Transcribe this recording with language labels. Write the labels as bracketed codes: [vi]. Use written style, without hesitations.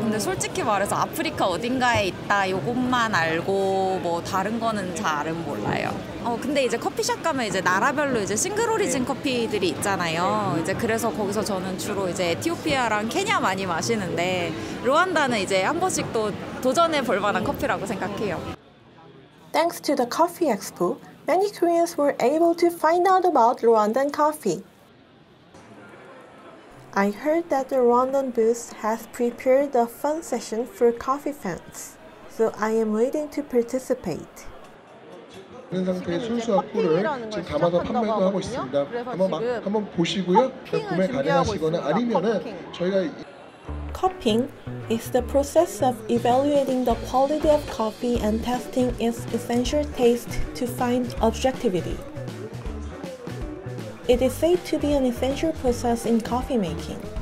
[ko] 근데 솔직히 말해서 아프리카 어딘가에 있다 이것만 알고 뭐 다른 거는 잘은 몰라요. 근데 이제 커피숍 가면 이제 나라별로 이제 싱글 오리진 커피들이 있잖아요. 이제 그래서 거기서 저는 주로 이제 에티오피아랑 케냐 많이 마시는데 르완다는 이제 한 번씩 또 도전해 볼 만한 커피라고 생각해요. [en] Thanks to the Coffee Expo, many Koreans were able to find out about Rwandan coffee. I heard that the Rwandan booth has prepared a fun session for coffee fans, so I am waiting to participate. [ko] 있는 상태의 순수 악보를 지금 담아서 판매도 하고 있습니다. 한번 보시고요. 구매 가능하시거나 아니면은 저희가 [en] Cupping is the process of evaluating the quality of coffee and testing its essential taste to find objectivity. It is said to be an essential process in coffee making.